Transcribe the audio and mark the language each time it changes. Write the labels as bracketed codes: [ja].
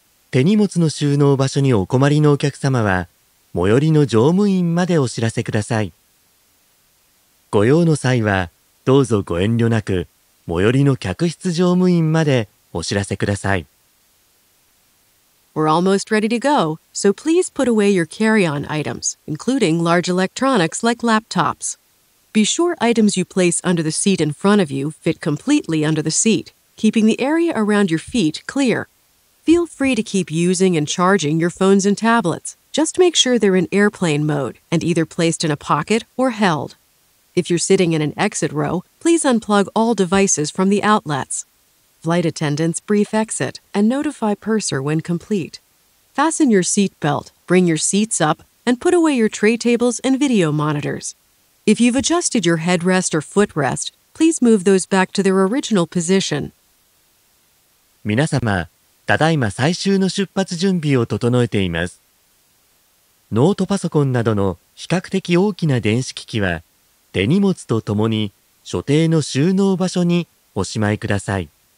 [ja] 手荷物の収納場所にお困りのお客様は、最寄りの乗務員までお知らせください。ご用の際は、どうぞご遠慮なく、最寄りの客室乗務員までお知らせください。 [en] We're almost ready to go, so please put away your carry-on items, including large electronics like laptops. Be sure items you place under the seat in front of you fit completely under the seat, keeping the area around your feet clear. Feel free to keep using and charging your phones and tablets. Just make sure they're in airplane mode and either placed in a pocket or held. If you're sitting in an exit row, please unplug all devices from the outlets. Flight attendants brief exit and notify purser when complete. Fasten your seat belt, bring your seats up, and put away your tray tables and video monitors. If you've adjusted your headrest or footrest, please move those back to their original position. [ja] 皆様、ただいま最終の出発準備を整えています。ノートパソコンなどの比較的大きな電子機器は、手荷物とともに所定の収納場所にお住まいください。